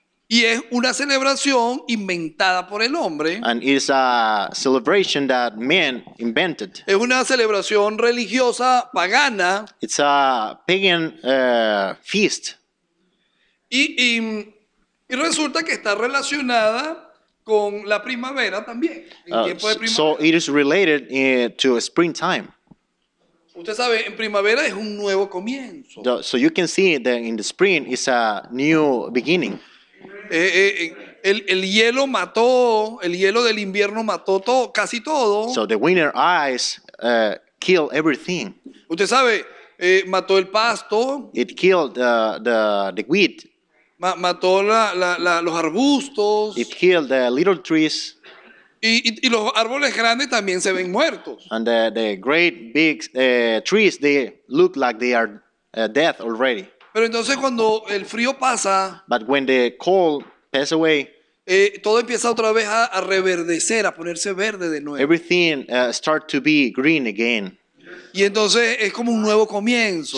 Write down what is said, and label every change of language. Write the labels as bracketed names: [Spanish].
[Spanish] Y es una celebración inventada por el hombre. [English] And it's a celebration that man invented. [Spanish] Es una celebración religiosa pagana. [English] It's a pagan feast. [Spanish] Y resulta que está relacionada con la primavera también, el tiempo de primavera. [English] So it is related to springtime. [Spanish] Usted sabe, en primavera es un nuevo comienzo. [English] So you can see that in the spring is a new beginning. [Spanish] El hielo mató, el hielo del invierno mató todo, casi todo. [English] So the winter ice killed everything. [Spanish] Usted sabe, mató el pasto. [English] It killed the wheat. [Spanish] Mató los arbustos. [English] It killed the little trees. [Spanish] Y los árboles grandes también se ven muertos. [English] And the great big trees, they look like they are dead already. [Spanish] Pero entonces cuando el frío pasa, [English] but when the cold passes away, [Spanish] todo empieza otra vez a reverdecer, a ponerse verde de nuevo. [English] Everything start to be green again. [Spanish] Y entonces es como un nuevo comienzo.